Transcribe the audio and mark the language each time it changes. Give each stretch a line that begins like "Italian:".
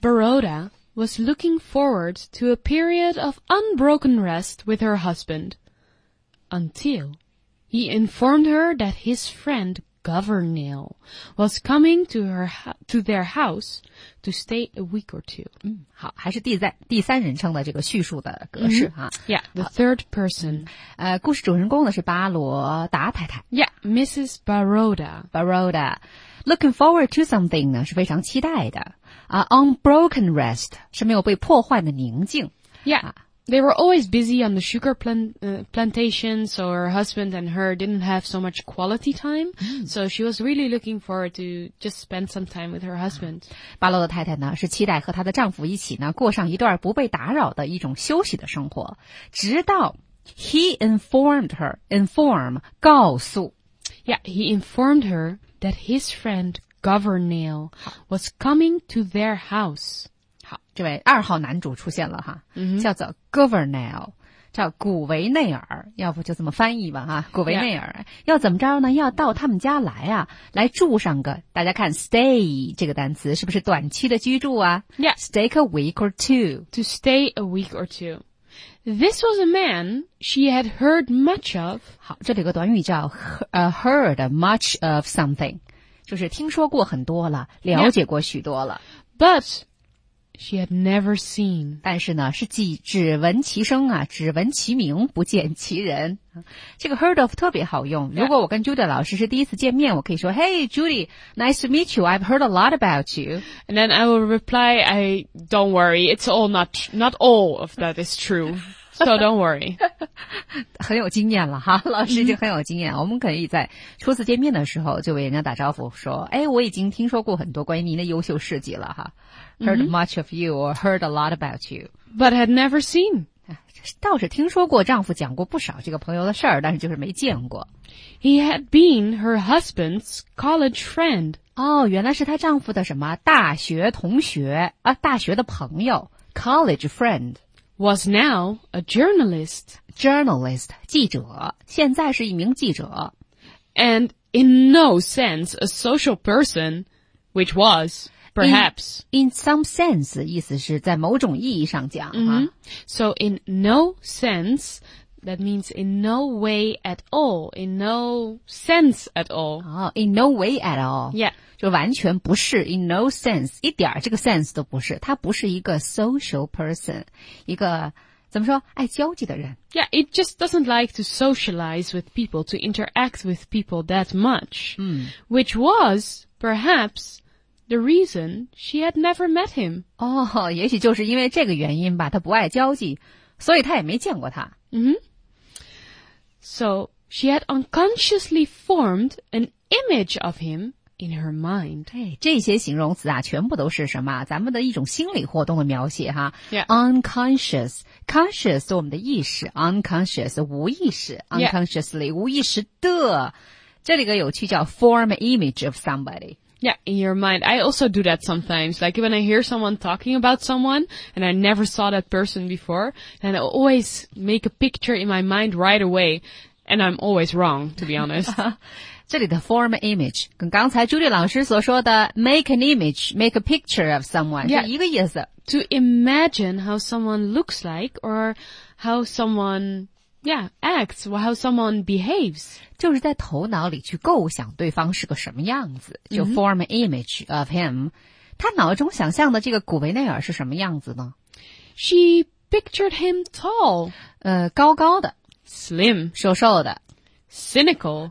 English: Baroda was looking forward to a period of unbroken rest with her husband, until he informed her that his friend Gouvernail was coming to their house to stay a week or two.
Chinese: 好，还是第三人称的这个叙述的格式哈。
English: Yeah, the third person.
Chinese: 故事主人公呢是巴罗达太太。
English: Yeah, Mrs. Baroda.
Chinese: Baroda, looking forward to something 呢是非常期待的。 Unbroken rest 是没有被破坏的宁静。
English: Yeah, they were always busy on the sugar plantation, so her husband and her didn't have so much quality time. So she was really looking forward to just spend some time with her husband.
Chinese: 巴洛的太太呢是期待和她的丈夫一起呢过上一段不被打扰的一种休息的生活，直到 he informed her, inform, 告诉。
English: Yeah, he informed her that his friend,Gouvernail was coming to their house.
Chinese: 好，这位二号男主出现了哈、mm-hmm. 叫做 Gouvernail, 叫古维内尔，要不就这么翻译吧哈，古维内尔、yeah. 要怎么着呢，要到他们家来啊，来住上个，大家看 stay 这个单词是不是短期的居住啊、
English: yeah. stay a week or two. To stay a week or two. This was a man she had heard much of.
Chinese: 好，这里有个短语叫 heard much of something. 就是听说过很多了，了解过许多了。
English: Yeah. But she had never seen.
Chinese: 但是呢，是只闻其声啊，只闻其名，不见其人。这个 heard of 特别好用。如果我跟 Judy 老师是第一次见面，我可以说 , Hey, Judy, nice to meet you.
English: I've heard a lot about you. And then I will reply, I don't worry. It's all not all of that is true. So don't worry.
Chinese: 很有经验了哈，老师已经很有经验、嗯、我们可以在初次见面的时候就为人家打招呼说，哎，我已经听说过很多关于您的优秀事迹了哈。 Heard much of you or heard a lot about you.
English: But had never seen.
Chinese: 倒是听说过丈夫讲过不少这个朋友的事儿，但是就是没见过。
English: He had been her husband's college friend.
Chinese: 哦，原来是她丈夫的什么大学同学啊，大学的朋友 ， college friend。
English: Was now a journalist.
Chinese: Journalist， 记者，现在是一名记者。
English: And in no sense a social person, which was. Perhaps.
Chinese: In some sense, 意思是在某种意义上讲、 mm-hmm.
English: So in no sense, that means in no way at all, in no sense at all.、 Oh, in no way at all. Yeah.
Chinese: 就完全不是 in no sense, 一点这个 sense 都不是。他不是一个 social person, 一个怎么说爱交际的人。
English: Yeah, it just doesn't like to socialize with people, to interact with people that much,、 mm. which was perhaps... The reason she had never met him.
Chinese: Oh, 也许就是因为这个原因吧，她不爱交际，所以她也没见过他。 Mm-hmm.
English: So she had unconsciously formed an image of him in her mind.
Chinese: 哎，这些形容词啊，全部都是什么？咱们的一种心理活动的描写哈。
English: Yeah.
Chinese: Unconscious, conscious 是我们的意识 ，unconscious 无意识 ，unconsciously、
English: yeah.
Chinese: 无意识的。这里个有趣叫 form image of somebody.
English: Yeah, in your mind. I also do that sometimes. Like when I hear someone talking about someone and I never saw that person before, and I always make a picture in my mind right away, and I'm always wrong, to be honest.
Chinese: 这里的 form image 跟刚才朱莉老师所说的 make an image, make a picture of someone 是、
English: yeah,
Chinese: 一个意思。
English: To imagine how someone looks like or how someone... Yeah, acts or how someone behaves.
Chinese: 就是在头脑里去构想对方是个什么样子，就 form an image of him. 他脑中想象的这个古维内尔是什么样子呢？
English: She pictured him tall.
Chinese: 高高的。
English: Slim.
Chinese: 瘦瘦的。
English: Cynical.